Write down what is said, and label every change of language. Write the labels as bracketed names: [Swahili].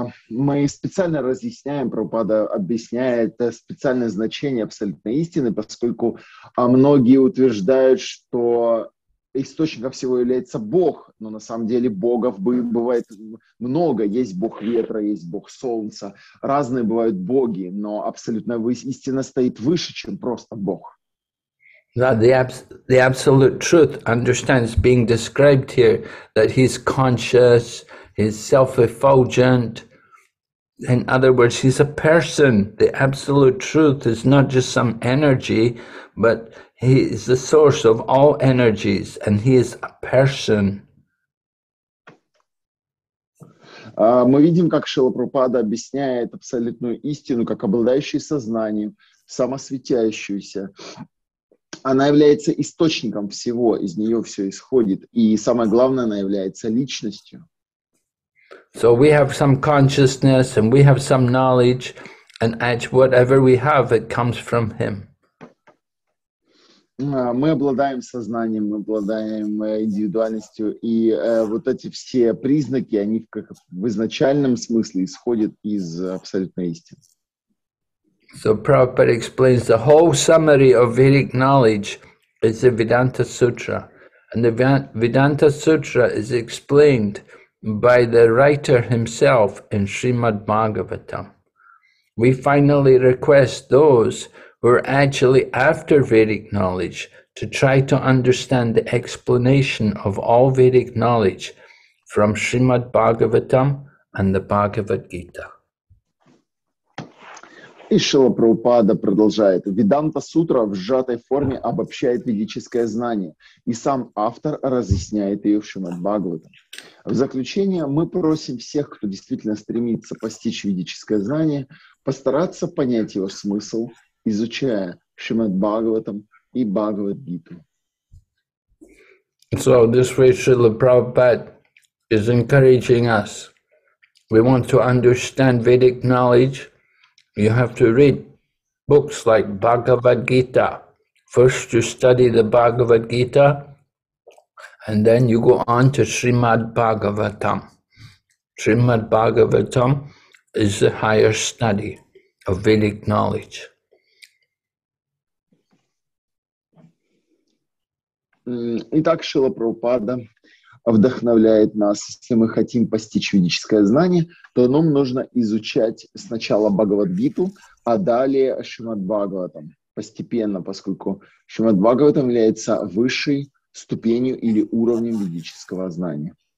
[Russian] Мы специально разъясняем, Прабхупада объясняет специальное значение абсолютной истины, поскольку многие утверждают, что источником всего является Бог, но на самом деле богов бывает много. Есть Бог ветра, есть Бог солнца. Разные бывают боги, но абсолютная истина стоит выше, чем просто Бог. [English] The absolute truth understands being described here that he's conscious, he's self-effulgent. In other words, he's a person. The absolute truth is not just some energy, but he is the source of all energies, and he is a person. [Russian] Мы видим, как Шрила Прабхупада объясняет абсолютную истину, как обладающую сознанием, самосветящуюся. Она является источником всего, из нее все исходит, и самое главное, она является личностью. [English] So we have some consciousness and we have some knowledge, and actually whatever we have, it comes from him. [Russian] Мы обладаем сознанием, мы обладаем индивидуальностью, и вот эти все признаки, они как в изначальном смысле исходят из абсолютной истины. [English] So Prabhupada explains the whole summary of Vedic knowledge is the Vedanta Sutra, and the Vedanta Sutra is explained by the writer himself in Srimad Bhagavatam. We finally request those who are actually after Vedic knowledge to try to understand the explanation of all Vedic knowledge from Srimad Bhagavatam and the Bhagavad Gita. [Russian] И Шрила Прабхупада продолжает. Веданта Сутра в сжатой форме обобщает ведическое знание, и сам автор разъясняет ее в Шримад Бхагаватам. В заключение мы просим всех, кто действительно стремится постичь ведическое знание, постараться понять его смысл, изучая Шримад Бхагаватам и Бхагавад Гиту. [English] So this way Шрила Прабхупада is encouraging us. We want to understand Vedic knowledge. You have to read books like Bhagavad Gita. First you study the Bhagavad Gita, and then you go on to Srimad Bhagavatam. Srimad Bhagavatam is the higher study of Vedic knowledge. [Russian] Итак, Шрила Прабхупада вдохновляет нас, если мы хотим постичь ведическое знание, то нам нужно изучать сначала Бхагавад-гиту, а далее Шримад-бхагаватам, постепенно, поскольку Шримад-бхагаватам является высшей ступенью или уровнем ведического знания.